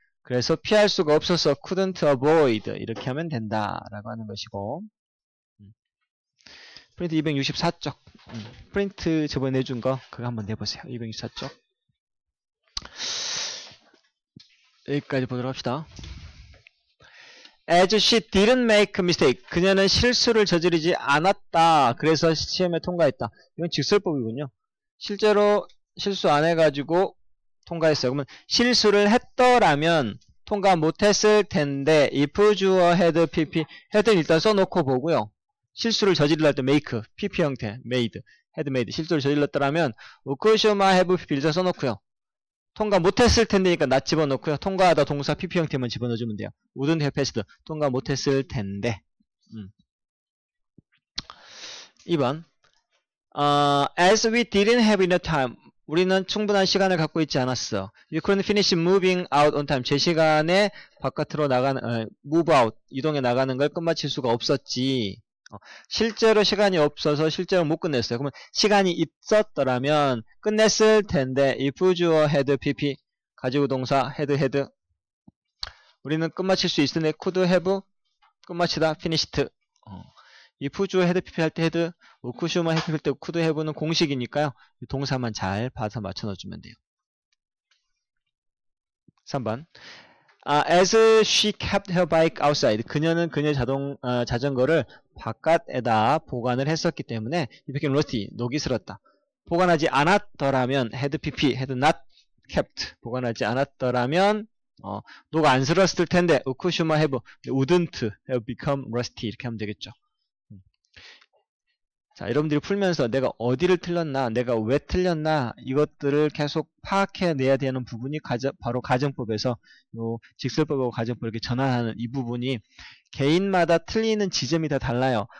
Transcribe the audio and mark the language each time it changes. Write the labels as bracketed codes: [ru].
[ko] 그래서 피할 수가 없어서 [en] couldn't avoid. [ko] 이렇게 하면 된다 라고 하는 것이고. 프린트 264쪽. 프린트 저번에 내준 거 그거 한번 내보세요. 264쪽. 여기까지 보도록 합시다. [en] As she didn't make a mistake. [ko] 그녀는 실수를 저지르지 않았다. 그래서 시험에 통과했다. 이건 직설법이군요. 실제로 실수 안 해가지고 통과했어요. 그러면 실수를 했더라면 통과 못했을 텐데 if 주어 had pp had는 일단 써놓고 보고요. 실수를 저질렀을 때 make, pp 형태, made, had made, 실수를 저질렀더라면 우크쇼마 have pp 일단 써놓고요. 통과 못했을 텐데니까 나 집어넣고요. 통과하다 동사 pp 형태만 집어넣어주면 돼요. [en] wouldn't have passed, [ko] 통과 못했을 텐데. 2번. [en] As we didn't have enough time, [ko] 우리는 충분한 시간을 갖고 있지 않았어. [en] We couldn't finish moving out on time, [ko] 제 시간에 바깥으로 move out, 이동해 나가는 걸 끝마칠 수가 없었지. 실제로 시간이 없어서 실제로 못 끝냈어요. 그러면 시간이 있었더라면 끝냈을 텐데 if 주어 had pp 가지고 동사 had 우리는 끝마칠 수 있으네. [en] could have [ko] 끝마치다 finished. if 주어 had pp 할 때 had, could 주어 had pp 할 때 could have는 공식이니까요. 이 동사만 잘 봐서 맞춰 넣어주면 돼요. 3번. [en] As she kept her bike outside, [ko] 그녀는 그녀의 자전거를 바깥에다 보관을 했었기 때문에 [en] it became rusty, [ko] 녹이슬었다. 보관하지 않았더라면 had pp, had not kept, 보관하지 않았더라면 녹 안 슬었을 텐데 우쿠슈마 have, [en] wouldn't have become rusty. [ko] 이렇게 하면 되겠죠. 자, 여러분들이 풀면서 내가 어디를 틀렸나, 내가 왜 틀렸나, 이것들을 계속 파악해내야 되는 부분이 바로 가정법에서 요 직설법하고 가정법을 이렇게 전환하는 이 부분이 개인마다 틀리는 지점이 다 달라요.